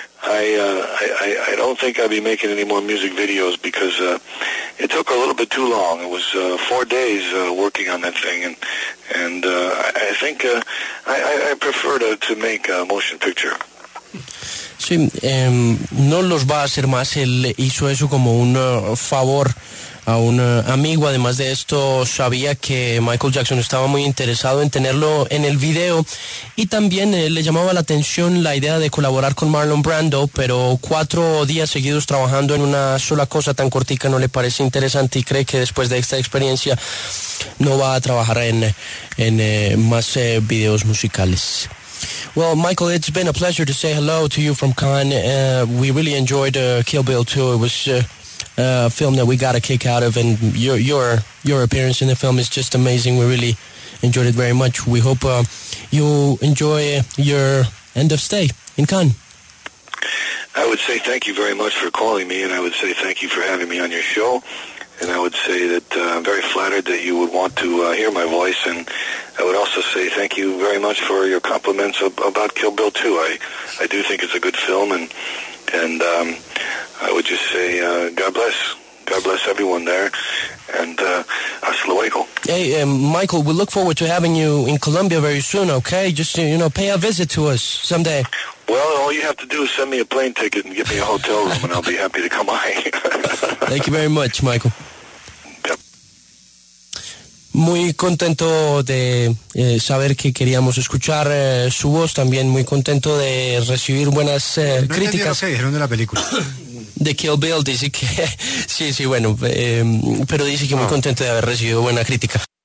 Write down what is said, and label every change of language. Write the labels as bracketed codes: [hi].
[en] I don't think I'll be making any more music videos because it took a little bit too long. It was 4 days working on that thing, and I think I prefer to make a motion picture. [es] Sí, no los va a hacer más. Él hizo eso como un favor a un amigo. Además de esto, sabía que Michael Jackson estaba muy interesado en tenerlo en el video, y también le llamaba la atención la idea de colaborar con Marlon Brando, pero 4 días seguidos trabajando en una sola cosa tan cortica no le parece interesante, y cree que después de esta experiencia no va a trabajar en más videos musicales. [en] Well, Michael, it's been a pleasure to say hello to you from Cannes. We really enjoyed Kill Bill 2. It was a film that we got a kick out of, and your appearance in the film is just amazing. We really enjoyed it very much. We hope you enjoy your end of stay in Cannes. I would say thank you very much for calling me, and I would say thank you for having me on your show. And I would say that I'm very flattered that you would want to hear my voice. And I would also say thank you very much for your compliments about Kill Bill 2. I do think it's a good film. And I would just say God bless. God bless everyone there. And [es] hasta luego. [en] Hey, Michael, we look forward to having you in Colombia very soon, okay? Just, you know, pay a visit to us someday. Well, all you have to do is send me a plane ticket and get me a hotel room, and I'll be happy to come by. Thank you very much, Michael. [es] Muy contento de saber que queríamos escuchar su voz, también muy contento de recibir buenas críticas. No entendí lo que dijeron de la película. De Kill Bill, dice que... sí, bueno, pero dice que muy contento de haber recibido buena crítica.